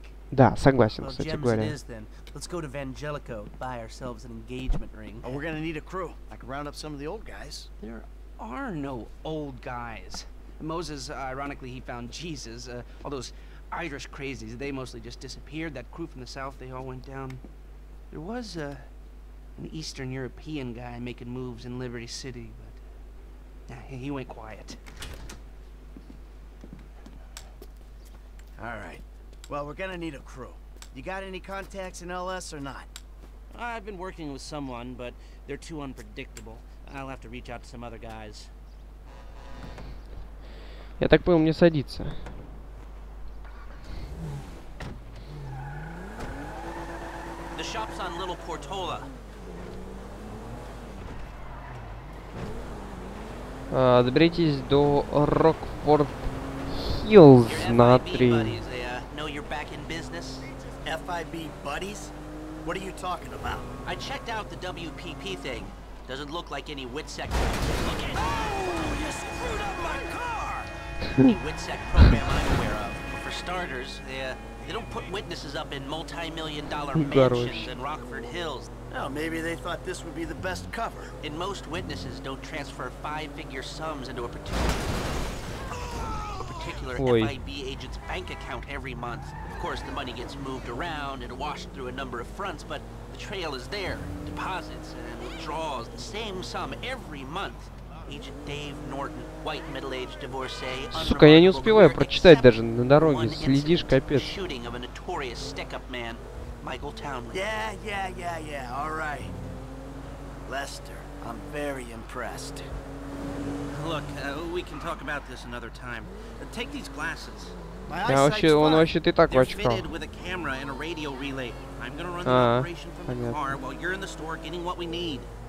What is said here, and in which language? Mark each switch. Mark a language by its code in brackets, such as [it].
[ru] Да, согласен, кстати говоря. [en] Let's go to Vangelico, buy ourselves an engagement ring. We're gonna need a crew. I can round up some of the old guys. There are no old guys. Moses, ironically, he found Jesus. All those Irish crazies, they mostly just disappeared. That crew from the south, they all went down. There was an Eastern European guy making moves in Liberty City, but he went quiet. All right. Well, we're gonna need a crew. You got any contacts in LS or not? I've been working with someone, but they're too unpredictable. I'll have to reach out to some other guys. [ru] Я так понял, мне садиться. [en] The shop's on Little Portola. [ru] Доберитесь до Rockford Hills на 3. [en] You're back in business? FIB buddies? What are you talking about? I checked out the WPP thing. Doesn't look like any WITSEC. Oh, you screwed up my car! Any WITSEC program I'm aware of. But for starters, they don't put witnesses up in multi-million-dollar mansions in Rockford Hills. Well, maybe they thought this would be the best cover. And most witnesses don't transfer five-figure sums into a particular FIB agent's bank account every month. Of course, the money gets moved around and washed through a number of fronts, but the trail is there. Deposits and withdrawals, the same sum every month. Agent Dave Norton, white middle-aged divorcee, [ru] сука, я не успеваю прочитать даже на дороге. Следишь, капец. [en] Shooting of a notorious stick-up man, Michael Townley. Yeah, all right. Lester, I'm very impressed. Look, we can talk about this another time. Take these glasses. [ru] Он вообще-то и так в очках. [en] They're fitted with a camera and a radio relay. I'm gonna run the operation from the car while you're in the store getting what we need.